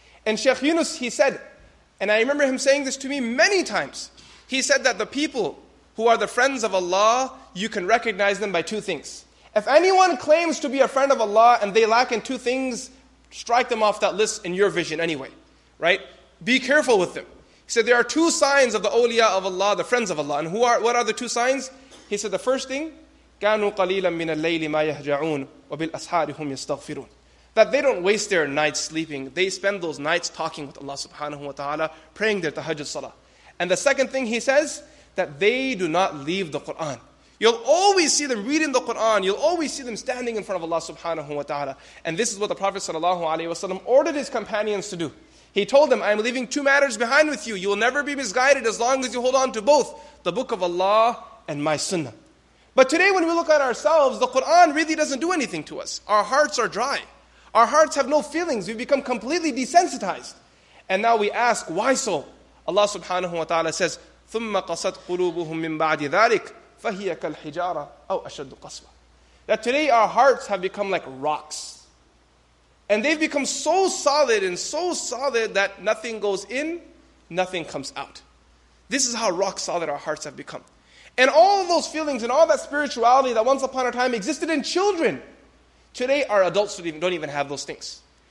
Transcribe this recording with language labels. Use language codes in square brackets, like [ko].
[en] And Sheikh Yunus, he said, and I remember him saying this to me many times, he said that the people who are the friends of Allah, you can recognize them by 2 things. If anyone claims to be a friend of Allah and they lack in 2 things, strike them off that list in your vision anyway, right? Be careful with them. He said, there are 2 signs of the awliya of Allah, the friends of Allah. And what are the 2 signs? He said, the first thing, [ar] كَانُوا قَلِيلًا مِنَ اللَّيْلِ مَا يَهْجَعُونَ وَبِالْأَسْحَارِ هُمْ يَسْتَغْفِرُونَ. [en] That they don't waste their nights sleeping. They spend those nights talking with Allah subhanahu wa ta'ala, praying their tahajjud salah. And the second thing he says, that they do not leave the Qur'an. You'll always see them reading the Qur'an. You'll always see them standing in front of Allah subhanahu wa ta'ala. And this is what the Prophet sallallahu alayhi wa sallam ordered his companions to do. He told them, I am leaving 2 matters behind with you. You will never be misguided as long as you hold on to both, the book of Allah and my sunnah. But today when we look at ourselves, the Qur'an really doesn't do anything to us. Our hearts are dry. Our hearts have no feelings. We become completely desensitized. And now we ask, why so? Allah subhanahu wa ta'ala says, [ar] ثُمَّ قَسَتْ قُلُوبُهُمْ مِنْ بَعْدِ ذَلِكَ فَهِيَ كَالْحِجَارَةَ أَوْ أَشَدُّ قَسْوَةَ. [en] That today our hearts have become like rocks. And they've become so solid and so solid that nothing goes in, nothing comes out. This is how rock solid our hearts have become. And all of those feelings and all that spirituality that once upon a time existed in children, today our adults don't even have those things.